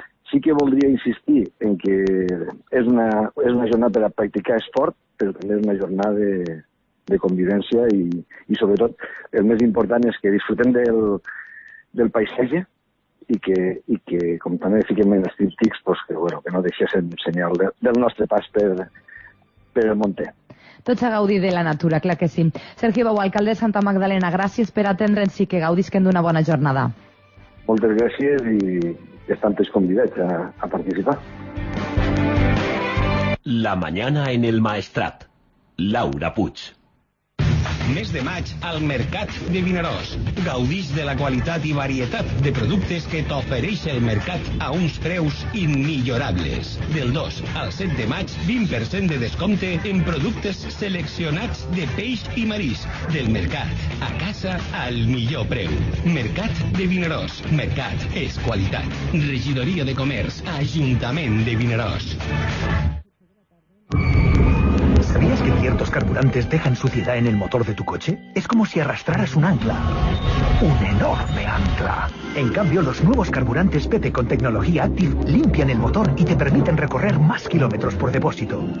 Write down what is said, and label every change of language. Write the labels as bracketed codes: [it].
[ca] Sí que voldria insistir en que és una jornada per a practicar esport, però també és una jornada de convivència i sobretot el més important és que disfrutem del paisatge, i que com també fiquem en els típtics, pues que, bueno, que no deixéssim senyal del nostre pas per el monte. Tots a gaudir de la natura, clar que sí. Sergi Bau, alcalde de Santa Magdalena, gràcies per atendre'ns i que gaudisquen d'una bona jornada. Moltes gràcies i estan tots convidats a participar. [es] La mañana en el Maestrat. [ca] Laura Puig. Mes de maig al Mercat de Vinaròs. Gaudix de la qualitat i varietat de productes que t'ofereix el mercat a uns preus immillorables. Del 2 al 7 de maig, 20% de descompte en productes seleccionats de peix i marisc. Del mercat a casa al millor preu. Mercat de Vinaròs. Mercat és qualitat. Regidoria de Comerç, Ajuntament de Vinaròs. [es] ¿Sabías que ciertos carburantes dejan suciedad en el motor de tu coche? Es como si arrastraras un ancla. ¡Un enorme ancla! En cambio, los nuevos carburantes PT con tecnología Active limpian el motor y te permiten recorrer más kilómetros por depósito.